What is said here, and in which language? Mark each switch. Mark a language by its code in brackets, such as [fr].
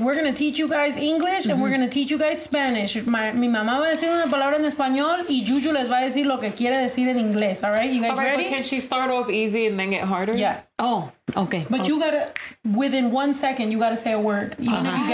[en] We're going to teach you guys English, mm-hmm. and we're going to teach you guys Spanish. [es] Mi mamá va a decir una palabra en español y Juju les va a decir lo que quiere decir en inglés. [en] All right, you guys all right, ready? But can she start off easy and then get harder? Yeah. Oh, okay. But okay. You got to, within 1 second, you got to say a word, even uh-huh.